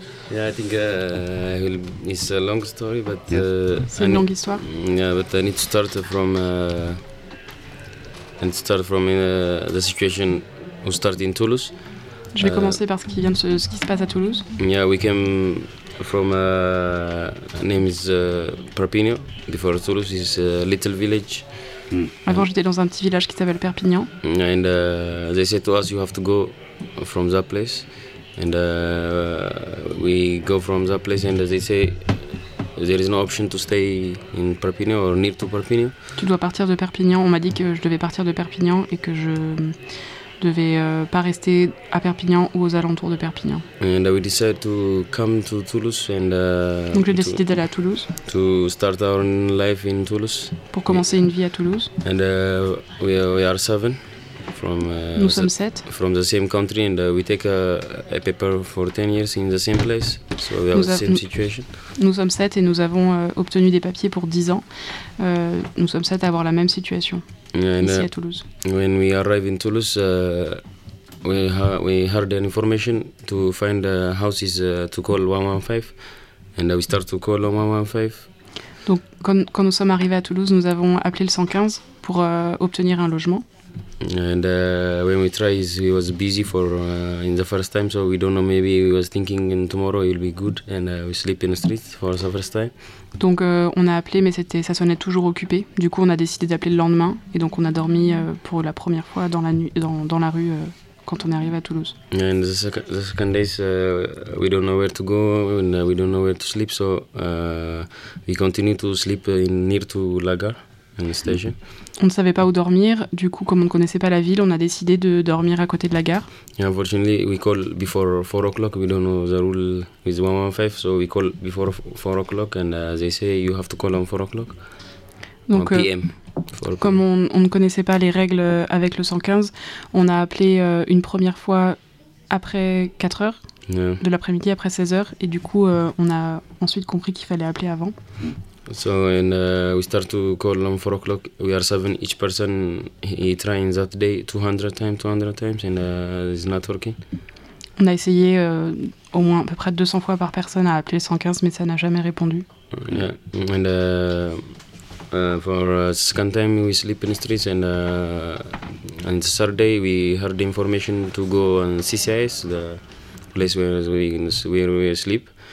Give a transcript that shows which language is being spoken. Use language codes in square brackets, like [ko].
[en] Yeah, I think it's a long story, but [fr] yes. C'est une longue histoire. [en] Yeah, but I need to start from the situation we started in Toulouse. [fr] Je vais commencer par ce qui se passe à Toulouse. [en] Yeah, we came from name is Perpignan. Before Toulouse is a little village. Mm. [fr] Avant, j'étais dans un petit village qui s'appelle Perpignan. [en] And they said to us, you have to go from that place. And we go from that place, and they say there is no option to stay in Perpignan or near to Perpignan. [fr] Tu dois partir de Perpignan. On m'a dit que je devais partir de Perpignan et que je devais pas rester à Perpignan ou aux alentours de Perpignan. [en] And we decided to come to Toulouse and [fr] donc j'ai décidé d'aller à Toulouse. [en] To start our life in Toulouse. [fr] Pour commencer une vie à Toulouse. [en] And we are seven from [fr] nous sommes sept. [en] From the same country and we take a paper for 10 years in the same place. So we have the same situation. [fr] Nous sommes sept et nous avons obtenu des papiers pour 10 ans. Nous sommes sept à avoir la même situation. [en] And, [fr] ici à Toulouse. [en] When we arrive in Toulouse, we heard an information to find houses to call 115, and we start to call 115. [fr] Donc, quand nous sommes arrivés à Toulouse, nous avons appelé le 115 pour obtenir un logement. [en] And when we tried, he was busy for in the first time, so we don't know. Maybe he was thinking tomorrow it'll be good, and we sleep in the street for the first time. [fr] Donc on a appelé, mais ça sonnait toujours occupé. Du coup, on a décidé d'appeler le lendemain, et donc on a dormi pour la première fois dans la nuit, dans la rue quand on est arrivé à Toulouse. [en] And the second day, we don't know where to go, and we don't know where to sleep, so we continue to sleep near to la gare. [fr] On ne savait pas où dormir, du coup, comme on ne connaissait pas la ville, on a décidé de dormir à côté de la gare. [en] Unfortunately, we call before 4 o'clock, we don't know the rule with 115, so we call before 4 o'clock, and they say you have to call on 4 o'clock. [fr] Donc, PM. Comme on ne connaissait pas les règles avec le 115, on a appelé une première fois après 4 heures. [en] Yeah. [fr] De l'après-midi après 16 heures, et du coup, on a ensuite compris qu'il fallait appeler avant. [en] So and we start to call on 4 o'clock. We are seven each person. He trying that day 200 times, and it's not working. [fr] On a essayé au moins à peu près 200 fois par personne à appeler 115, mais ça n'a jamais répondu. [en] Yeah, and for the second time we sleep in the streets, and on the third day we heard the information to go on CCIS, the place where we sleep.